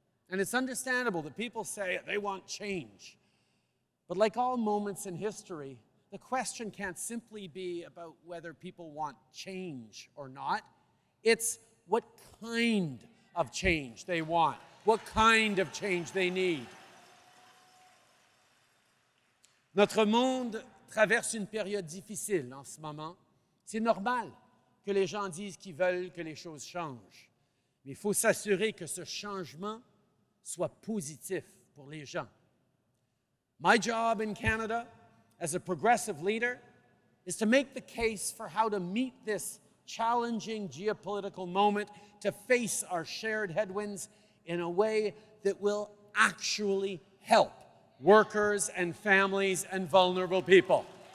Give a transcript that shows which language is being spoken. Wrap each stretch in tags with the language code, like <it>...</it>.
<en>And it's understandable that people say they want change. But like all moments in history, the question can't simply be about whether people want change or not. It's what kind of change they want, what kind of change they need.</en> <fr>Notre monde traverse une période difficile en ce moment. C'est normal que les gens disent qu'ils veulent que les choses changent. Mais il faut s'assurer que ce changement soit positif pour les gens.</fr> <en>My job in Canada as a progressive leader is to make the case for how to meet this challenging geopolitical moment, to face our shared headwinds in a way that will actually help workers and families and vulnerable people.</en>